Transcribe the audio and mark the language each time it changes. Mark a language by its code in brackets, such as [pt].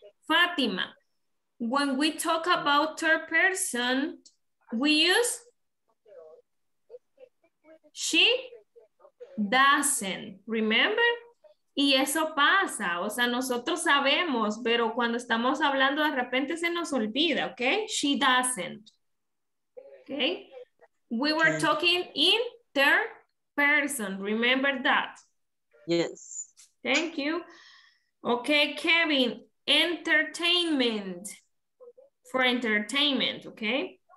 [en] Fátima, when we talk about third person, we use she doesn't, remember? [es] Y eso pasa, o sea, nosotros sabemos, pero cuando estamos hablando de repente se nos olvida, ¿ok? [en] She doesn't, ¿ok? We were talking in third person, remember that? Yes. Thank you. Ok, Kevin, entertainment, ¿ok?